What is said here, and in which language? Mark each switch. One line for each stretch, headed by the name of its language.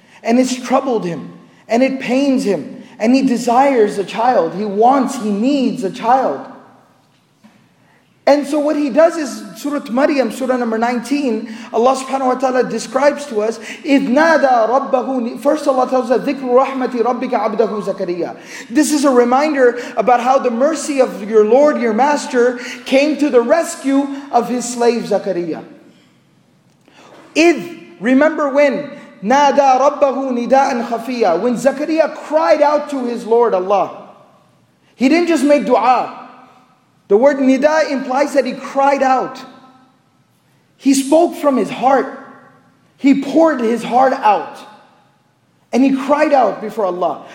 English: And it's troubled him. And it pains him. And he desires a child. He wants, he needs a child. And so what he does is, Surah Maryam, Surah number 19, Allah subhanahu wa ta'ala describes to us,
Arabic: إِذْ نَادَى رَبَّهُ.
English: First Allah tells us,
Arabic: ذِكْرُ رَحْمَةِ رَبِّكَ عَبْدَهُ زَكَرِيَّا.
English: This is a reminder about how the mercy of your Lord, your Master, came to the rescue of his slave Zakaria.
Arabic: إِذْ,
English: remember when,
Arabic: نَادَى رَبَّهُ نِدَاءً خَفِيَّا.
English: When Zakaria cried out to his Lord Allah, he didn't just make dua. The word nida implies that he cried out. He spoke from his heart. He poured his heart out. And he cried out before Allah.